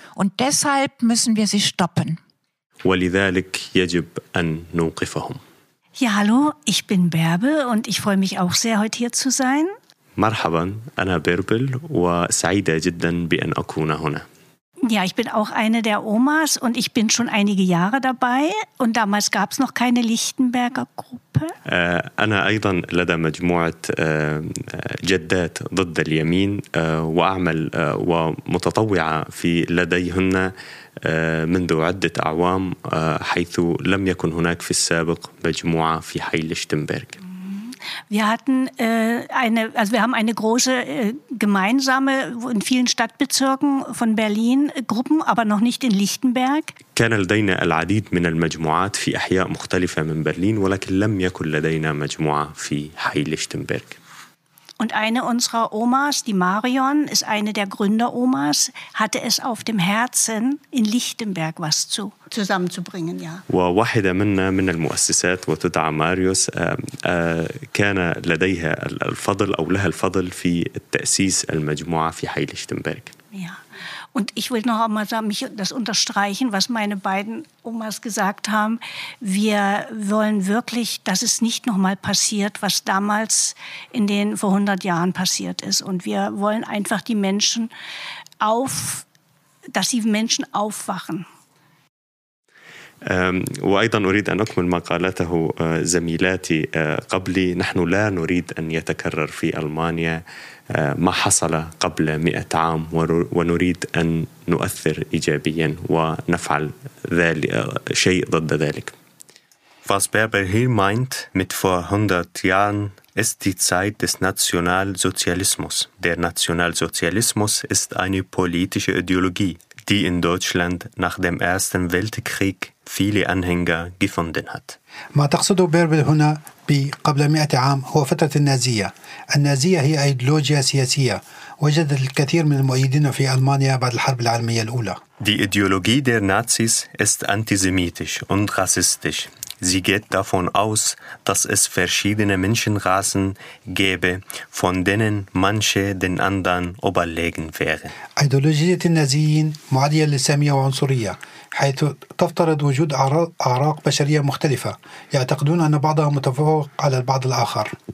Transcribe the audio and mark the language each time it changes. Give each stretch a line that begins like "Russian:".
German: Und deshalb müssen wir sie stoppen.
Arabic: ولذلك يجب أن نوقفهم.
German: Ja, hallo, ich bin Bärbel und ich freue mich auch sehr, heute hier zu sein.
Arabic: مرحبا, أنا بيربل وسعيدة جدا بأن أكون هنا.
German: Ja, ich bin auch eine der Omas und ich bin schon einige Jahre dabei und damals gab es noch keine Lichtenberger Gruppe.
Arabic: أنا أيضا لدى مجموعة جدات ضد اليمين وأعمل ومتطوعة في لديهن منذ عدة أعوام حيث لم يكن هناك في السابق مجموعة في حي ليشتنبرغ.
German: Wir hatten eine, also wir haben eine große gemeinsame in vielen Stadtbezirken von Berlin Gruppen, aber noch nicht in Lichtenberg.
Arabic: كان لدينا العديد من المجموعات في أحياء مختلفة من برلين ولكن لم يكن لدينا مجموعة في حي ليشتنبرغ.
German: Und eine unserer Omas, die Marion, ist eine der Gründer-Omas, hatte es auf dem Herzen, in Lichtenberg was zu zusammenzubringen, ja.
Arabic: وواحدة منا من المؤسسات وتدعى ماريوس كان لديها الفضل أو لها الفضل في تأسيس المجموعة في حي ليشتنبرغ.
German: Ja. Und ich will noch einmal sagen, mich das unterstreichen, was meine beiden Omas gesagt haben. Wir wollen wirklich, dass es nicht noch mal passiert, was damals in den vor 100 Jahren passiert ist. Und wir wollen einfach die Menschen auf, dass die Menschen aufwachen.
Arabic: وأيضا أريد أن أكمل ما قالته زميلاتي قبلي. نحن لا نريد أن يتكرر في ألمانيا ما حصل قبل 100 عام ونريد أن نؤثر إيجابيا ونفعل ذلك شيء ضد ذلك.
German: Was Bärbel hier meint mit vor 100 Jahren ist die Zeit des Nationalsozialismus. Der Nationalsozialismus ist eine politische Ideologie, die in Deutschland nach dem Ersten Weltkrieg viele Anhänger gefunden hat.
Arabic: ما تقصده بيربل هنا بقبل 100 عام هو فترة النازية. النازية هي أيديولوجيا سياسية وجدت الكثير من المؤيدين في ألمانيا بعد الحرب العالمية الأولى.
German: Die Ideologie der Nazis ist antisemitisch und rassistisch. Sie geht davon aus, dass es verschiedene Menschenrassen gäbe, von denen manche den anderen überlegen wären.
Arabic: أيديولوجية النازيين معادية للسامية وعنصرية. حيث تفترض وجود أعراق بشرية مختلفة يعتقدون أن بعضها متفوق على البعض الآخر.